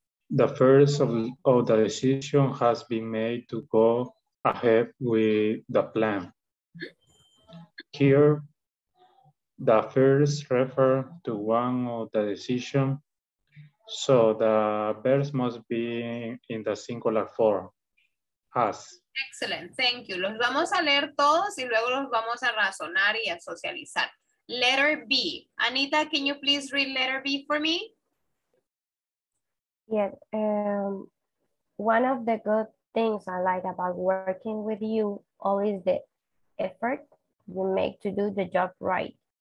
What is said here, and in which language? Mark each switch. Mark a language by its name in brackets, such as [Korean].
[English] The first of the decision has been made to go ahead with the plan. Here, the first refers to one of the decision, so the verb must be in the singular form, has. Excellent, thank you. [Spanish] Los vamos a leer todos y luego los vamos a razonar y a socializar. [English] Letter B. Anita, can you please read letter B for me? Yes, one of the good things I like about working with you all is the effort you make to do the job right.